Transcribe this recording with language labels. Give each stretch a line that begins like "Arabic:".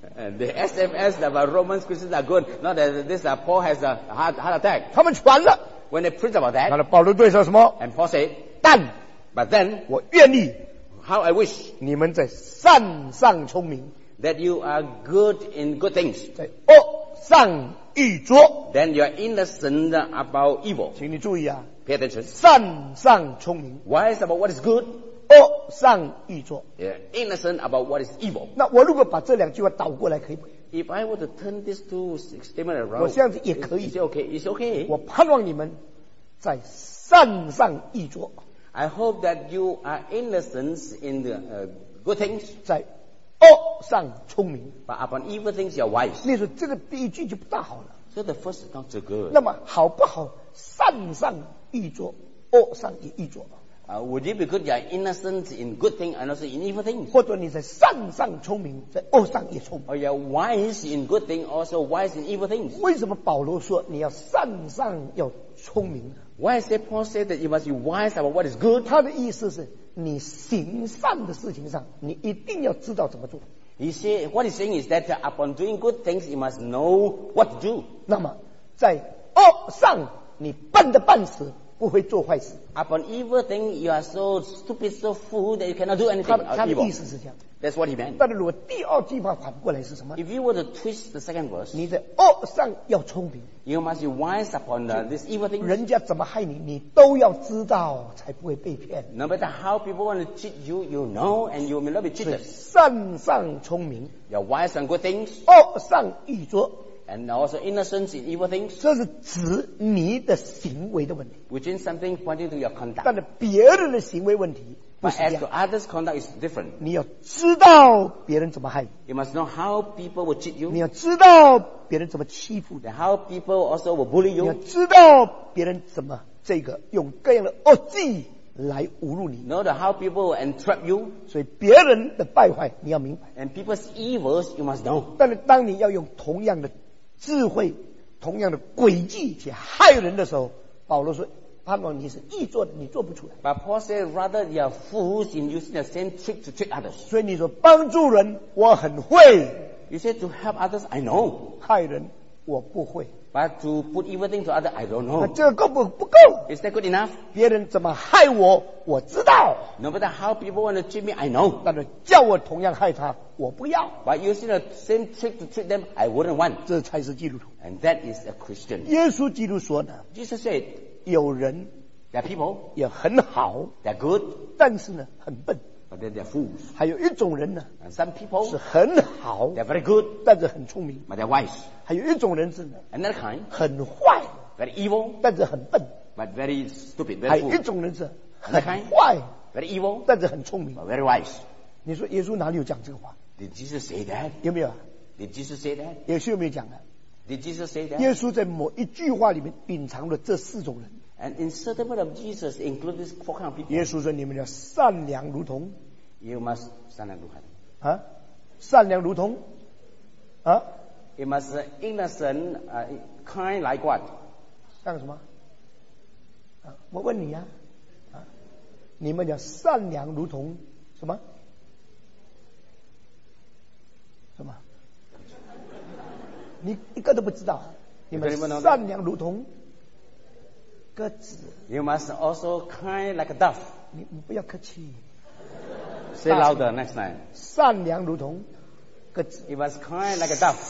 English: And the SMS about Roman Christians are good, not that this Paul has a heart attack.
Chinese: 他们传了
English: ，when they preach about that.
Chinese: 那保罗对说什么
English: ？And Paul said,
Chinese: 但
English: ，but then
Chinese: 我愿意。
English: How I wish
Chinese: 你们在善上聪明
English: ，that you are good in good things，
Chinese: 在恶上愚拙
English: ，then you are innocent about evil。
Chinese: 请你注意啊
English: ，pay attention。
Chinese: 善上聪明
English: ，wise about what is good，
Chinese: 恶上愚拙
English: ，yeah， innocent about what is evil。
Chinese: 那我如果把这两句话倒过来，可以不？
English: If I were to turn these two statements around，
Chinese: 我这样子也可以。
English: It's okay， it's okay。
Chinese: 我盼望你们在善上愚拙。
English: I hope that you are innocent in the good things.
Chinese: 在恶上聪明
English: But upon evil things you are wise.
Chinese: 你说这个第一句就不大好了
English: So the first is not too good.
Chinese: 那么好不好善上愚拙恶上也愚拙
English: Would it be good you are innocent in good things and also in evil things?
Chinese: 或者你在善上聪明在恶上也聪明
English: Or you are wise in good things also wise in evil things?
Chinese: 为什么保罗说你要善上要聪明呢
English: Why is it Paul said that you must be wise about what is good?
Chinese: 他的意思是，你行善的事情上，你一定要知道怎么做。
English: He said, what he's saying is that upon doing good things, you must know what to do.
Chinese: 那么，在恶上，你笨的半死，不会做坏事。
English: Upon evil thing, you are so stupid, so fool that you cannot do anything.
Chinese: 他的意思是这样。
English: That's what he meant.
Chinese: 但是如果第二句话反过来是什么
English: ？If you were to twist the second verse,
Chinese: 你在恶上要聪明。
English: You must be wise upon this evil thing.
Chinese: 人家怎么害你，你都要知道，才不会被骗。
English: No matter how people want to cheat you, you know, and you may not be cheated.
Chinese: 善上聪明。
English: You're wise on good things.
Chinese: 恶上愚拙。
English: And also innocence in evil things.
Chinese: 这是指你的行为的问题。
English: Which is something pointing to your conduct.
Chinese: 但是别人的行为问题。
English: But as to others' conduct is different.
Chinese: 你要知道别人怎么害。
English: You must know how people will cheat you.
Chinese: 你要知道别人怎么欺负。
English: And how people also will bully you.
Chinese: 你要知道别人怎么这个用各样的恶计来侮辱你。
English: Know how people will entrap you.
Chinese: 所以别人的败坏你要明白。
English: And people's evils you must know.
Chinese: 但是当你要用同样的智慧、同样的诡计去害人的时候，保罗说。盼望你是易做的，你做不出来。
English: But Paul said, rather you are fools in using the same trick to trick others.
Chinese: 所以你说帮助人，我很会。
English: You said to help others, I know.
Chinese: 害人，我不会。
English: But to put evil things to others, I don't know.
Chinese: 这个够不够
English: ？Is that good enough?
Chinese: 别人怎么害我，我知道。
English: No matter how people want to cheat me, I know.
Chinese: 但是叫我同样害他，我不要。
English: But using the same trick to trick them, I wouldn't want.
Chinese: 这才是基督徒。
English: And that is a Christian.
Chinese: 耶稣基督说呢
English: ？Jesus said.
Chinese: 有人
English: ，their people
Chinese: 也很好
English: ，they're good，
Chinese: 但是呢，很笨
English: ，but they're fools。
Chinese: 还有一种人呢
English: ，some people
Chinese: 是很好
English: ，they're very good，
Chinese: 但是很聪明
English: ，but they're wise。
Chinese: 还有一种人是呢
English: ，another kind
Chinese: 很坏
English: ，very evil，
Chinese: 但是很笨
English: ，but very stupid。
Chinese: 还有一种人是很坏
English: ，very evil，
Chinese: 但是很聪明
English: ，but very wise。
Chinese: 你说耶稣哪里有讲这个话
English: ？Did Jesus say that？
Chinese: 有没有
English: ？Did Jesus say that？
Chinese: 耶稣有没有讲啊？
English: Did Jesus say that?
Chinese: 耶稣在某一句话里面隐藏了这四种人。
English: And in certain words of Jesus include these four kind of people.
Chinese: 耶稣说你们要善良如同。
English: You must
Chinese: 善良如同。啊？善良如同？啊
English: ？You must innocent, kind like what?
Chinese: 像什么？啊？我问你呀、啊，啊？你们要善良如同什么？你一个都不知道，你们善良如同鸽子。
English: You must also kind like a dove.
Chinese: 你不要客气。
English: Say louder next time.
Chinese: 善良如同鸽子。
English: You must kind like a dove.